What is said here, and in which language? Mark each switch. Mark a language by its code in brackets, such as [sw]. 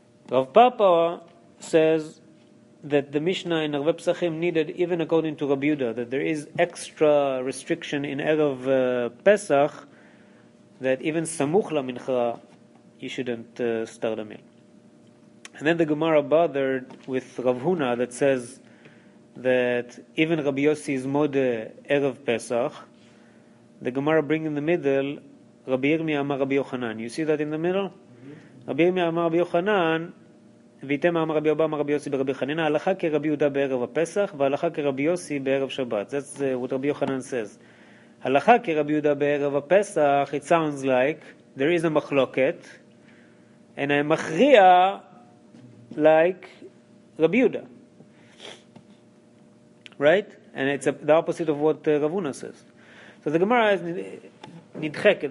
[en] Rav Papa says that the Mishnah in Erev Pesachim needed, even according to Rabbi Yehuda, that there is extra restriction in Erev Pesach, that even Samuch LaMincha, you shouldn't start a meal. And then the Gemara bothered with Rav Huna, that says that even Rabbi Yossi is mode Erev Pesach. The Gemara bring in the middle, Rabbi Yirmiyah Amar Rabbi Yochanan. You see that in the middle? [he] Rabbi Yirmiyah Amar Rabbi Yochanan, ויתם אמר רבי אבא אמר רבי יוסי ברבי חנינה הלכה כרבי יהודה בערב הפסח והלכה כרבי יוסי בערב שבת. [en] That's what רבי יוחנן says. [he] הלכה כרבי יהודה בערב הפסח, [en] it sounds like there is a מחלוקת, and I מכריע like רבי יהודה. Right? And it's the opposite of what רב הונא says. So the Gemara is נדחקת.